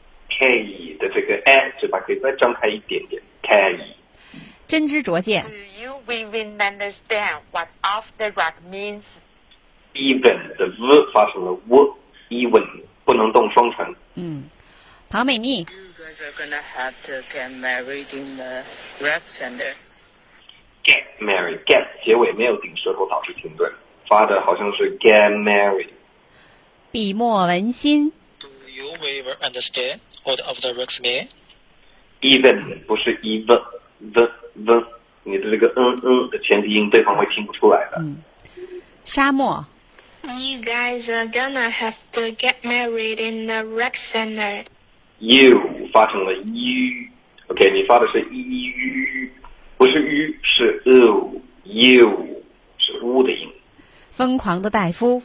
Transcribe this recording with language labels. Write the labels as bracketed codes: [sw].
[zh] K 的这个 a 嘴巴可以再张开一点点 ，K。真知灼见。 [en] Do you even understand what off the rack means? [zh] Even 的 v 发成了 w，even 不能动双唇。庞美妮。 [en] You guys are gonna have to get married in the rec center. Get married, [zh] get 结尾没有顶舌头导致停顿，发的好像是 get married。笔墨文心。 [en] Do you ever understand what off the rack means? Even 不是 even the。 [zh] 的，你的这个的前提音，对方会听不出来的。沙漠。 [en] You guys are gonna have to get married in the rec center. [zh] You 发成了 you， OK， 你发的是 you， 不是 you， 是 you， you 是 u 的音。疯狂的戴夫。